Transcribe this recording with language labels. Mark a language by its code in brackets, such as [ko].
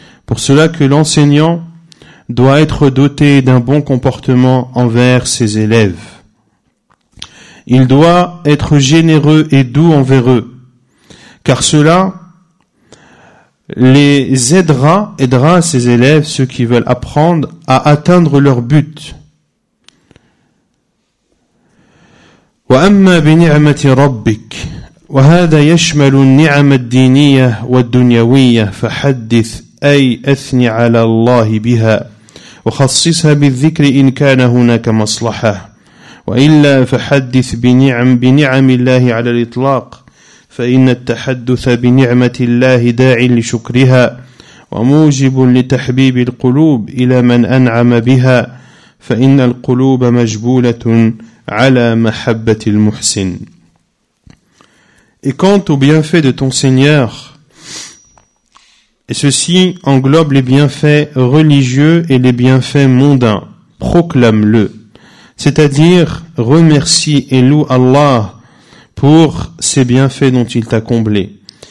[fr] Pour cela que l'enseignant doit être doté d'un bon comportement envers ses élèves. Il doit être généreux et doux envers eux, car cela les aidera ses élèves, ceux qui veulent apprendre, à atteindre leur but. [ar] وأما بنعمة ربك وهذا يشمل النعم الدينية والدنيوية فحدث أي أثني على الله بها وخصصها بالذكر إن كان هناك مصلحة وإلا فحدث بنعم الله على الإطلاق فإن التحدث بنعمة الله داع لشكرها وموجب لتحبيب القلوب إلى من أنعم بها فإن القلوب مجبولة على محبة المحسن. [fr] Et quant aux bienfaits de ton Seigneur, et ceci englobe les bienfaits religieux et les bienfaits mondains, proclame-le, c'est-à-dire remercie et loue Allah pour ces bienfaits dont il t'a comblé.